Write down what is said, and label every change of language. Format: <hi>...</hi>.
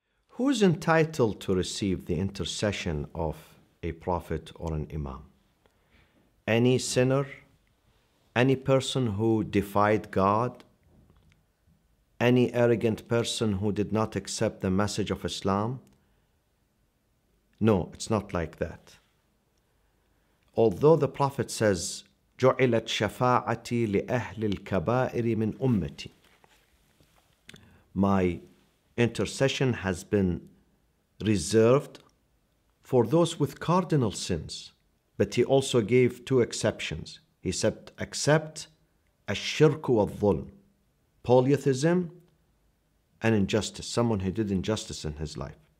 <en>Who's entitled to receive the intercession of a prophet or an imam? Any sinner? Any person who defied God, any arrogant person who did not accept the message of Islam? No, it's not like that. Although the Prophet says,</en> <ar>جُعِلَتْ شَفَاعَتِي لِأَهْلِ الْكَبَائِرِ مِنْ أُمَّتِي.</ar> <en>My intercession has been reserved for those with cardinal sins. But he also gave two exceptions. He said, accept</en> <ar>الشرك والظلم,</ar> <en>polytheism and injustice, someone who did injustice in his life.</en>